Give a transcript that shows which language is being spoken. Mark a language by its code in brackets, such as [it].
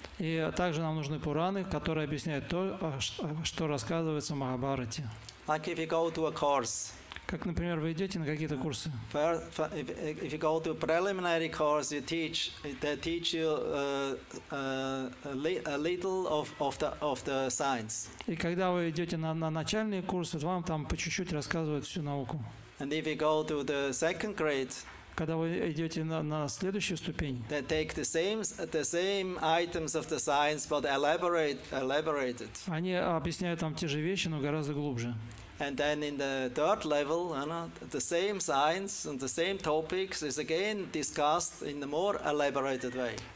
[ru] И также нам нужны Пураны, которые объясняют то, что рассказывается в Махабхарате. [en] Like if you go to a course. [ru] Как, например, вы идете на какие-то курсы? [en] If you go to a preliminary course, you teach, they teach you a little of the science. [ru] И когда вы идете на начальный курс, вам там по чуть-чуть рассказывают всю науку. [en] And if you go to the second grade, [ru] когда вы идете на следующую ступень, [en] they take the same items of the science, but elaborated. [ru] Они объясняют там те же вещи, но гораздо глубже. [en] And then in the third level, you know, the same science and the same topics is again discussed in a more elaborated way.